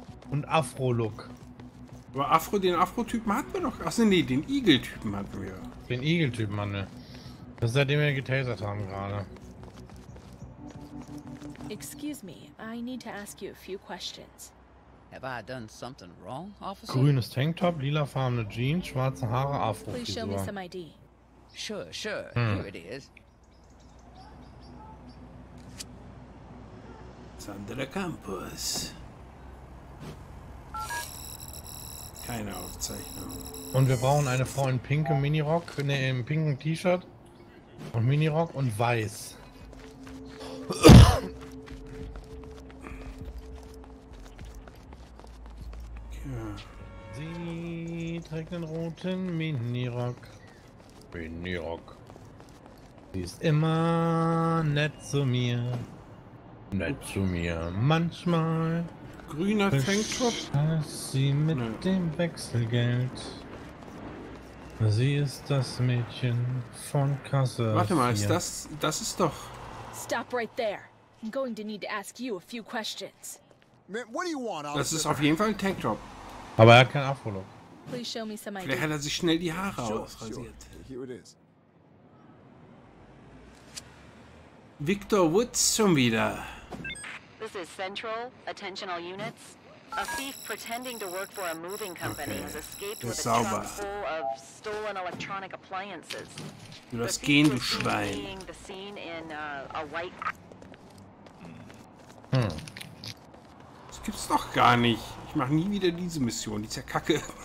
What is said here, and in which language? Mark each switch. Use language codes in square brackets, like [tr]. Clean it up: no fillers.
[de] Und Afro-Look. Aber Afro, den Afro-Typen hatten wir noch. Achso, nee, den Igel-Typen hatten wir. Den Igel-Typen, Mann. Das ist der, den wir getasert haben gerade. [en] Excuse me, I need to ask you a few questions. Have I done something wrong, officer? [de] Grünes Tanktop, lilafarbene Jeans, schwarze Haare, Afro-Frisur. [en] Please show me some ID. Sure, sure, here it is. Sandra Campus. [de] Keine Aufzeichnung. Und wir brauchen eine Frau in pinkem Minirock, ne, im pinken T-Shirt und Minirock und weiß. Sie trägt einen roten Minirock. Minirock. Sie ist immer nett zu mir. Nett zu mir. Manchmal. Grüner Tanktop. Sie mit dem Wechselgeld. Sie ist das Mädchen von Kasse. Warte mal, ist das. Das ist doch. [en] Stop right there. I'm going to need to ask you a few questions. What do you want, officer? [de] Das ist auf jeden Fall ein Tanktop. Aber er hat kein Afro-Look. [en] Please show me some ID. [de] Vielleicht hat er sich schnell die Haare ausrasiert. [en] Here it is. [de] Victor Woods schon wieder. [en] This is Central. Attention all units. A thief pretending to work for a moving company has escaped with a [de] sauber. [en] Truck full of stolen electronic appliances. [de] Du darfst gehen, du Schwein. [en] Being the scene in a white... [de] Das gibt's doch gar nicht. Ich mach nie wieder diese Mission, die ist ja kacke.